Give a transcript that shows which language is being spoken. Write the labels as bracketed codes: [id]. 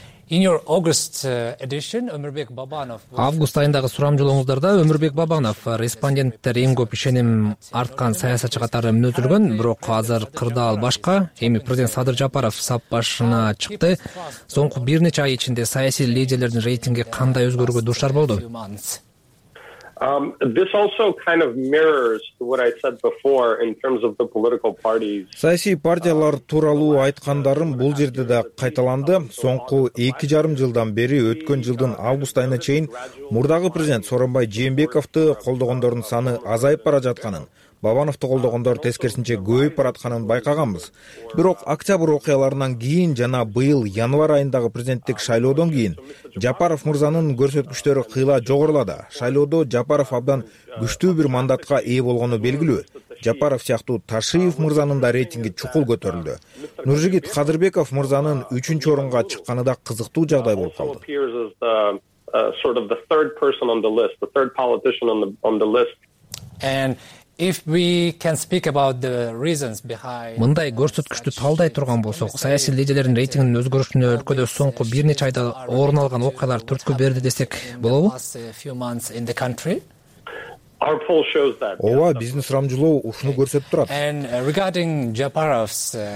[en] In your August edition, Ömürbek Babanov. [ky] Август айындагы сурамжылооңуздарда Ömürbek Babanov респонденттер эң көп ишеним арткан саясатчы катары мүнөздөлгөн, бирок азыр кырдаал башка. Эми президент Садыр Жапаров сап башына чыкты. Соңку бир нече ай ичинде саясий лидерлердин рейтинги кандай өзгөрүүгө дуушар болду? [en] This also kind of mirrors what I said before in terms of the political parties. [ky] Саясий партиялар тууралуу айткандарым бул жерде да кайталанды. Соңку 2.5 жылдан бери өткөн жылдын август айына чейин мурдагы президент Сооронбай Жээнбековду колдогондордун саны азайып бара жатканын, Бабановту колдогондор тескерисинче көбөйүп баратканын байкаганбыз. Бирок октябрь окуяларынан кийин жана быйыл январь айындагы президенттик шайлоодон кийин Жапаров мырзанын көрсөткүчтөрү кыйла жогорулады. Шайлоодо Жапаров абдан күчтүү бир мандатка ээ болгону белгилүү. Жапаров сыяктуу Ташиев мырзанын да рейтинги чукул көтөрүлдү. Нуржигит Кадырбеков мырзанын үчүнчү орунга чыкканы да кызыктуу жагдай болуп калды. [en] Sort of the third person on the list, the third politician on the list. And if we can speak about the reasons behind [ky] мындай көрсөткүчтү талдай турган болсок, саясий лидерлердин рейтингинин өзгөрүшүнө өлкөдө соңку бир нече айда орун алган окуялар түрткү берди десек болобу? [en] Our poll shows that. [ky] Ооба, биздин сурамжылоо ушуну көрсөтүп турат. [en] And regarding Japarov's